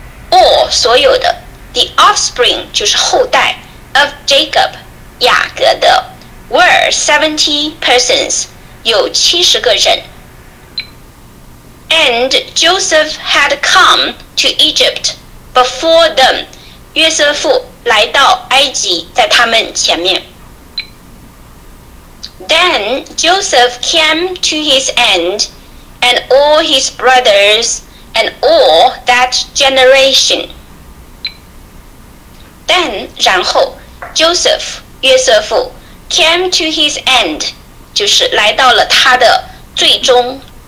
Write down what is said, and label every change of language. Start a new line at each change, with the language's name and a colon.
English: All,
Chinese: 所有的,
English: the offspring,
Chinese: 就是后代,
English: of Jacob,
Chinese: 雅各的,
English: were 70 persons,
Chinese: 有七十个人。
English: And Joseph had come to Egypt before them.
Chinese: 约瑟夫来到埃及在他们前面。
English: Then Joseph came to his end, and all his brothers, and all that generation.
Chinese: Then, 然后, Joseph, 约瑟夫,
English: came to his end,
Chinese: 就是来到了他的最终。